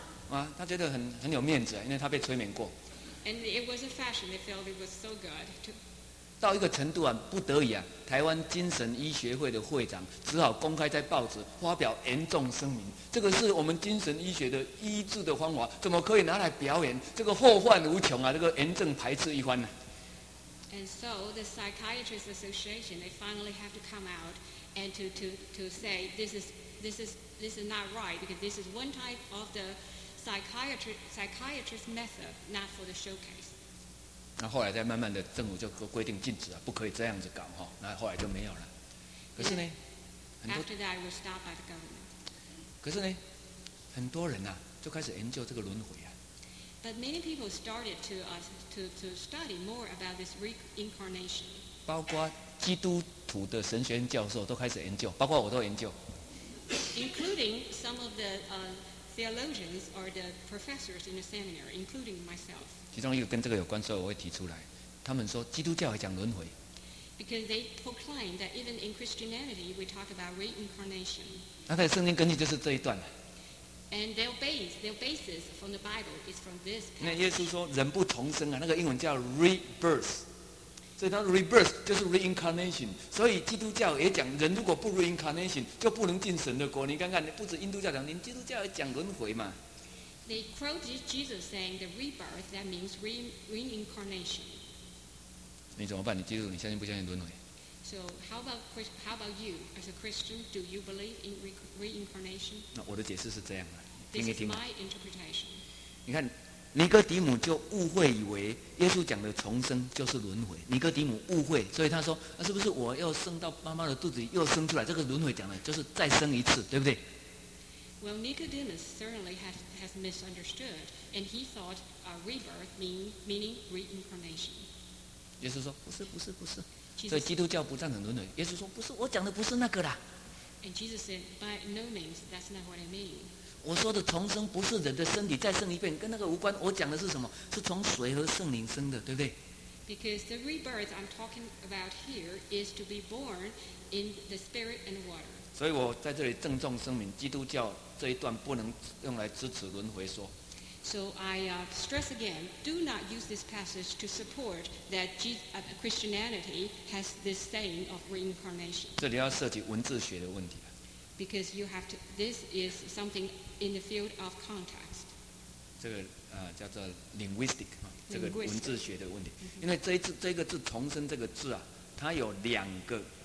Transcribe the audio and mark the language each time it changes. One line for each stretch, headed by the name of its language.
Chinese: 啊，他觉得很有面子，因为他被催眠过。
English: And it was a fashion; they felt it was so good.
Chinese: 到一个程度啊，不得已啊，台湾精神医学会的会长只好公开在报纸发表严重声明：这个是我们精神医学的医治的方法，怎么可以拿来表演？这个祸患无穷啊！这个严正排斥一番呢、啊。
English: And so the psychiatrists association they finally have to come out and to say this is not right because this is one type of the psychiatrist method, not for the showcase.
Chinese: 那后来再慢慢的，政府就规定禁止了，不可以这样子搞哈。那后来就没有了。可是呢，
English: after that, it was stopped by the government.
Chinese: 可是呢，很多人啊就开始研究这个轮回啊。
English: But many people started to study more about this reincarnation.
Chinese: 包括基督徒的神学院教授都开始研究，包括我都研究。
English: Including some of the theologians or the professors in the seminary, including myself.
Chinese: 其中一个跟这个有关，所以我会提出来。他们说基督教也讲轮回。
English: Because they proclaim that even in Christianity we talk about reincarnation.
Chinese: 那在圣经根据就是这一段。
English: And their basis from the Bible is from this passage.
Chinese: 那耶稣说人不重生啊，那个英文叫 rebirth， 所以他 rebirth 就是 reincarnation。所以基督教也讲人如果不 reincarnation 就不能进神的国。你看看，不止印度教讲，连基督教也讲轮回嘛。
English: They quote Jesus saying the rebirth that means reincarnation.
Chinese: 你怎么办？你基督徒你相信不相信轮回？
English: So how about you as a Christian? Do you believe in reincarnation?
Chinese: 那我的解释是这样的，听一听。
English: This is my interpretation.
Chinese: 你看，尼哥底母就误会以为耶稣讲的重生就是轮回。尼哥底母误会，所以他说：“那是不是我又生到妈妈的肚子里又生出来？这个轮回讲的就是再生一次，对不对
English: ？”Well, Nicodemus certainly has misunderstood, and he thought a rebirth meaning reincarnation.
Chinese: 耶稣说：“不是，不是，不是。” 所以基督教不赞成轮回。耶稣说：“不是，我讲的不是那个啦。”
English: And Jesus said, "By no means, that's not what I mean."
Chinese: 我说的重生不是人的身体再生一遍，跟那个无关。我讲的是什么？是从水和圣灵生的，对不对
English: ？Because the rebirth I'm talking about here is to be born in the Spirit and water.
Chinese: 所以我在这里郑重声明，基督教这一段不能用来支持轮回说。
English: So I stress again, do not use this passage to support that Christianity has this saying of reincarnation.
Chinese: 这里要涉及文字学的问题。
English: Because you have to, this is something in the field of context.
Chinese: 这个叫做 linguistic， 这个文字学的问题。因为这个字重生这个字啊，它有两个。